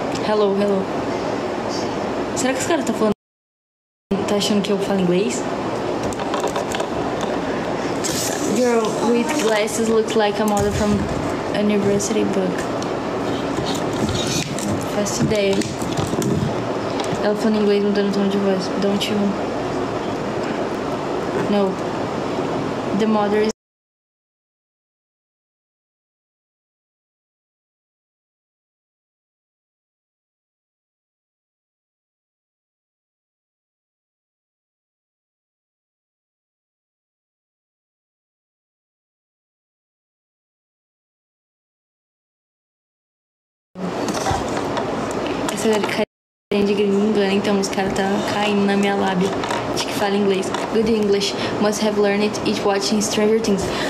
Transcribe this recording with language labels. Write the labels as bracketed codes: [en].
[en] Hello, hello. [pt] Será que os caras estão falando? Tá achando que eu falo inglês? [en] Girl with glasses looks like a model from a university book. [pt] Faço ideia. Ela falando inglês mudando o tom de voz. [en] Don't you? No. The model is. [pt] Essa carinha de gringo engana, então os caras tá caindo na minha lábia. Acho que fala inglês. [en] Good English. Must have learned it each watching Stranger Things.